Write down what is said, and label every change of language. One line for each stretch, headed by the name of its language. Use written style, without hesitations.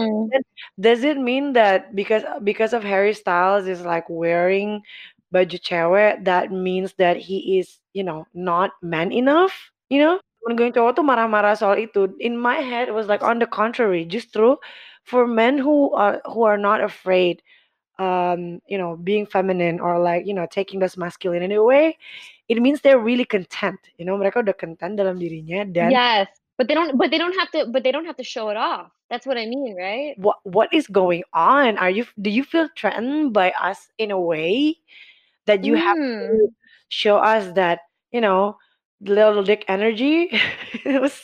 English: and does it mean that because of Harry Styles is like wearing
Indonesian: baju cewek
English: that means that he is you know not man enough you know
Indonesian: temen gue yang cowok tuh marah-marah soal itu
English: in my head it was like on the contrary
Indonesian: justru
English: for men who are not afraid you know, being feminine or like, you know, taking this masculine in a way, it means they're really content. You know,
Indonesian: mereka udah content dalam dirinya dan
English: Yes. But they don't have to show it off. That's what I mean, right? what is going on? Do you feel threatened by us in a way that you have to show us that, you know, little dick energy? It was